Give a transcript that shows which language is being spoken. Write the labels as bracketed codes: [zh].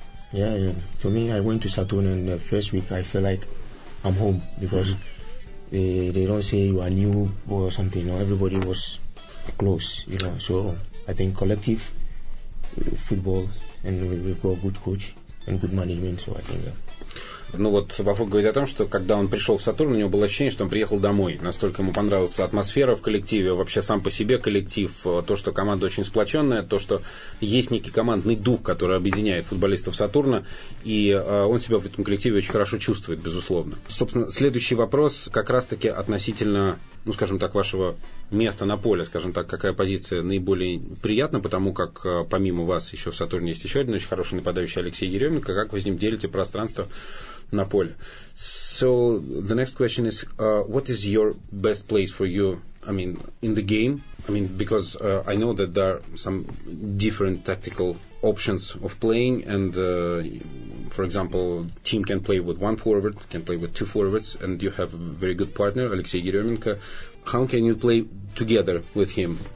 [en] Yeah, to me, I went to Saturn and the first week I feel like I'm home, because mm-hmm. they don't say you are new or something, you know, everybody was close, you know. So I think collective football, and we've got a good coach and good management, so I think that. [ru] Ну вот Бафур говорит о том, что когда он пришел в «Сатурн», у него было ощущение, что он приехал домой. Настолько ему понравилась атмосфера в коллективе, вообще сам по себе коллектив, то, что команда очень сплоченная, то, что есть некий командный дух, который объединяет футболистов «Сатурна», и он себя в этом коллективе очень хорошо чувствует, безусловно. Собственно, следующий вопрос как раз-таки относительно, ну, скажем так, вашего места на поле, скажем так, какая позиция наиболее приятна, потому как помимо вас еще в «Сатурне» есть еще один очень хороший нападающий Алексей Еременко, как вы с ним делите пространство на поле. [en] So the next question is, what is your best place for you I mean, in the game? I mean, because I know that there are some different tactical options of playing, and for example, team can play with one forward, can play with two forwards, and you have a very good partner, Alexey Geremenko. How can you play together with him?